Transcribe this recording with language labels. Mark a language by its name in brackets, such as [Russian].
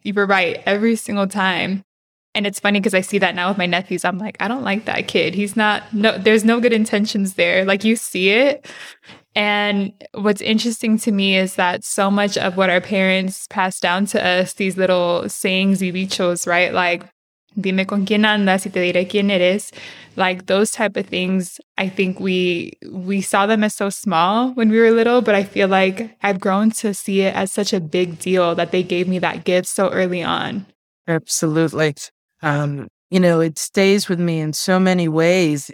[English] You were right every single time. And it's funny, because I see that now with my nephews. I'm like, I don't like that kid. He's not, no, there's no good intentions there. Like, you see it. And what's interesting to me is that so much of what our parents passed down to us, these little sayings [Spanish] y dichos, [English] right? [Spanish] Like, dime con quién andas y te diré quién eres. [English] Like, those type of things, I think we saw them as so small when we were little, but I feel like I've grown to see it as such a big deal that they gave me that gift so early on. Absolutely. You know, it stays with me in so many ways.